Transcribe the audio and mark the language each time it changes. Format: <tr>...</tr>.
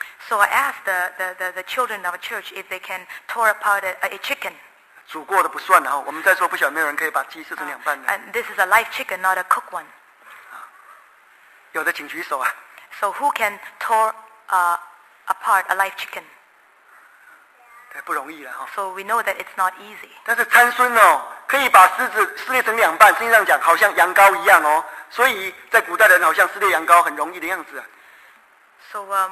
<en>So I asked the children of a church if they can tore apart a chicken.</en> <zh>煮过的不算啊，我们在座不晓得没有人可以把鸡撕成两半的。</zh> <en>And this is a live chicken, not a cooked one.</en> <zh>有的请举手啊。</zh> <en>So who can tore apart a live chicken?</en> <zh>对，不容易了哈。</zh> <en>So we know that it's not easy.</en> <zh>但是参孙哦，可以把狮子撕裂成两半，实际上讲好像羊羔一样哦，所以在古代的人好像撕裂羊羔很容易的样子。</zh> <en>So</en>